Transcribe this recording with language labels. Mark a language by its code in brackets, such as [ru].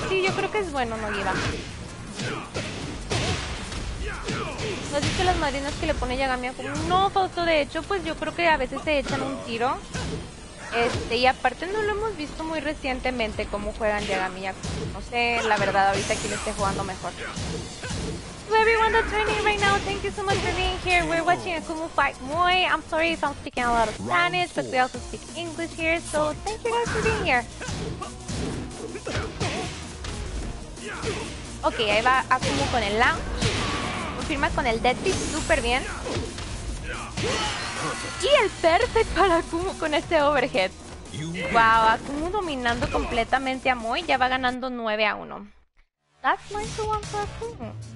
[es] Sí, yo creo que es bueno, no lleva. ¿No has visto las madrinas que le pone Yagami a Kumu? No, Fausto, de hecho, pues yo creo que a veces se echan un tiro. Y aparte no lo hemos visto muy recientemente cómo juegan Yagami a Kumu. No sé, la verdad, ahorita quién esté jugando mejor. [en] To everyone that's joining right now, thank you so much for being here. We're watching a Kumu fight. Moe, I'm sorry if I'm speaking a lot of Spanish, but we also speak English here, so thank you guys for being here. [es] Ok, ahí va a Kumu con el launch. Confirma con el dead pick súper bien. Y el perfect para Akumu con este overhead. Wow, Akumu dominando completamente a Moe. Ya va ganando 9-1. [en] That's 9-1 for Akumu.